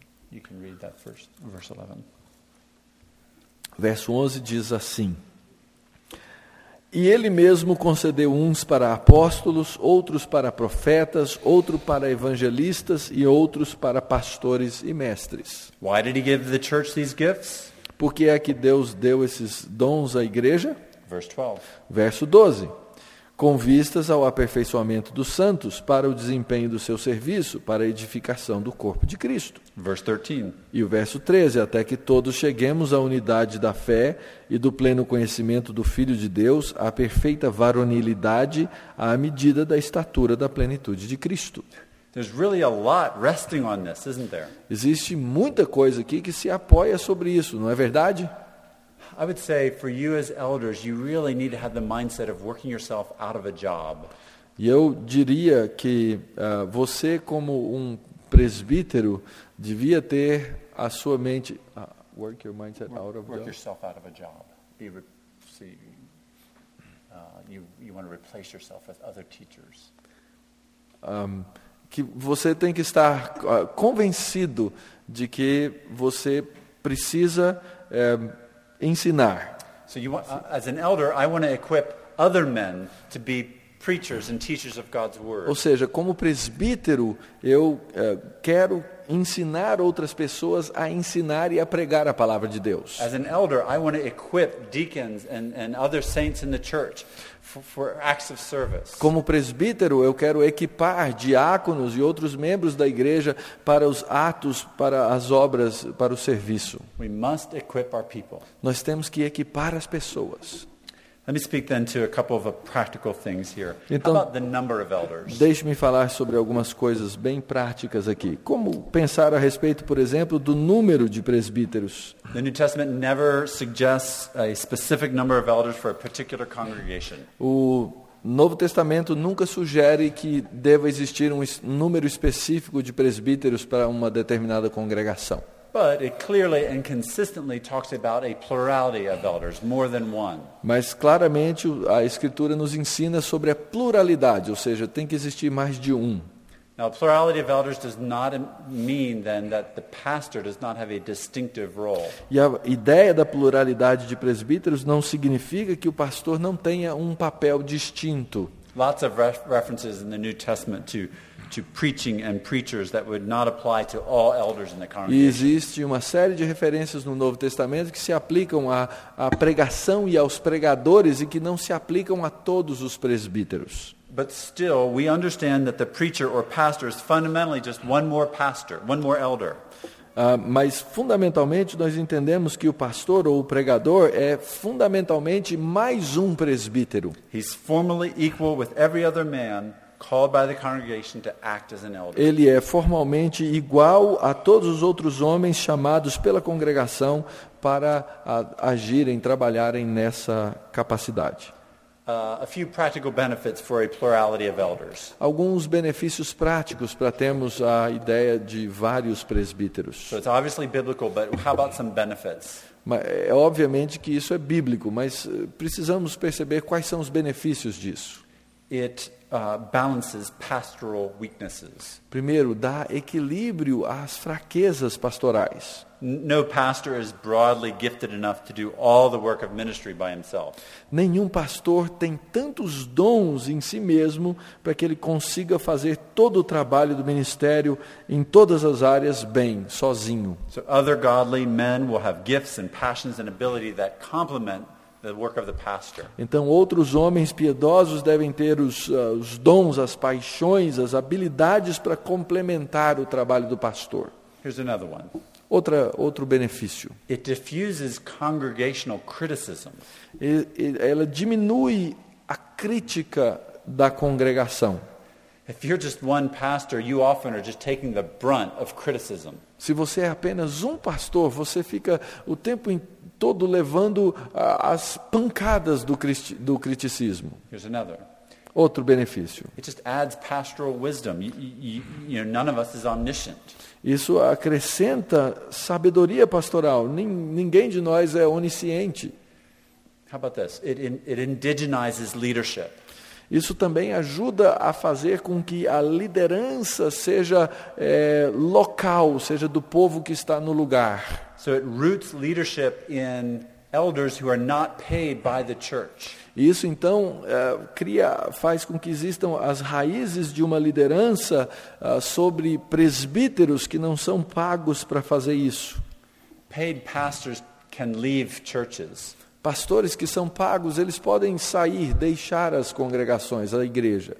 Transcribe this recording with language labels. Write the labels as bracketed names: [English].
[English] You can read that first, verse 11. [Portuguese] Verso 11 diz assim: E ele mesmo concedeu uns para apóstolos, outros para profetas, outro para evangelistas e outros para pastores e mestres. [English] Why did he give the church these gifts? [Portuguese] Por que é que Deus deu esses dons à igreja? [English] Verse 12. [Portuguese] Verso 12. Com vistas ao aperfeiçoamento dos santos, para o desempenho do seu serviço, para a edificação do corpo de Cristo. [English] Verse 13. [Portuguese] E o verso 13, até que todos cheguemos à unidade da fé e do pleno conhecimento do Filho de Deus, à perfeita varonilidade, à medida da estatura da plenitude de Cristo. [English] There's really a lot resting on this, isn't there? [Portuguese] Existe muita coisa aqui que se apoia sobre isso, não é verdade? [English] I would say for you as elders, you really need to have the mindset of working yourself out of a job. [Portuguese] E eu diria que você como um presbítero devia ter a sua mente [English] work your mindset out of a job. Work yourself out of a job. You want to replace yourself with other teachers. [Portuguese] Que você tem que estar convencido de que você precisa ensinar. [English] So you want, as an elder, I want to equip other men to be preachers and teachers of God's word. [Portuguese] Ou seja, como presbítero, eu quero ensinar outras pessoas a ensinar e a pregar a palavra de Deus. [English] As an elder, I want to equip deacons and other saints in the church for acts of service. [Portuguese] Como presbítero, eu quero equipar diáconos e outros membros da igreja para os atos, para as obras, para o serviço. [English] We must equip our people. [Portuguese] Nós temos que equipar as pessoas. [English] Let me speak then to a couple of practical things here. [Portuguese] Então, [English] how about the number of elders? [Portuguese] Deixe-me falar sobre algumas coisas bem práticas aqui. Como pensar a respeito, por exemplo, do número de presbíteros? [English] The New Testament never suggests a specific number of elders for a particular congregation. [Portuguese] O Novo Testamento nunca sugere que deva existir um número específico de presbíteros para uma determinada congregação. [English] But it clearly and consistently talks about a plurality of elders, more than one. [Portuguese] Mas claramente a Escritura nos ensina sobre a pluralidade, ou seja, tem que existir mais de um. [English] Now, plurality of elders does not mean then that the pastor does not have a distinctive role. [Portuguese] E a ideia da pluralidade de presbíteros não significa que o pastor não tenha um papel distinto. [English] Lots of references in the New Testament to preaching and preachers that would not apply to all elders in the congregation. [Portuguese] E existe uma série de referências no Novo Testamento que se aplicam à pregação e aos pregadores e que não se aplicam a todos os presbíteros. [English] But still, we understand that the preacher or pastor is fundamentally just one more pastor, one more elder. [Portuguese] Mas fundamentalmente nós entendemos que o pastor ou o pregador é fundamentalmente mais um presbítero. [English] He's formally equal with every other man called by the congregation to act as an elder. [Portuguese] Ele é formalmente igual a todos os outros homens chamados pela congregação para agirem, trabalharem nessa capacidade. [English] A few practical benefits for a plurality of elders. [Portuguese] Alguns benefícios práticos para termos a ideia de vários presbíteros. [English] So it's obviously biblical, but how about some benefits? [Portuguese] Mas é obviamente que isso é bíblico, mas precisamos perceber quais são os benefícios disso. [English] Balances pastoral weaknesses. [Portuguese] Primeiro, dá equilíbrio às fraquezas pastorais. [English] No pastor is broadly gifted enough to do all the work of ministry by himself. [Portuguese] Nenhum pastor tem tantos dons em si mesmo para que ele consiga fazer todo o trabalho do ministério em todas as áreas bem, sozinho. [English] So other godly men will have gifts and passions and ability that complement the work of the pastor. [Portuguese] Então outros homens piedosos devem ter os dons, as paixões, as habilidades para complementar o trabalho do pastor. [English] Here's another one. [Portuguese] Outro benefício. [English] It diffuses congregational criticism. [Portuguese] Ela diminui a crítica da congregação. [English] If you're just one pastor, you often are just taking the brunt of criticism. [Portuguese] Se você é apenas um pastor, você fica o tempo todo levando as pancadas do criticismo. [English] Here's another. [Portuguese] Outro benefício. [English] It just adds pastoral wisdom. You know, none of us is omniscient. [Portuguese] Isso acrescenta sabedoria pastoral. Ninguém de nós é onisciente. [English] How about this? It indigenizes leadership. [Portuguese] Isso também ajuda a fazer com que a liderança seja local, seja do povo que está no lugar. [English] So it roots leadership in elders who are not paid by the church. [Portuguese] Isso então faz com que existam as raízes de uma liderança sobre presbíteros que não são pagos para fazer isso. [English] Paid pastors can leave churches. [Portuguese] Pastores que são pagos, eles podem sair, deixar as congregações, a igreja.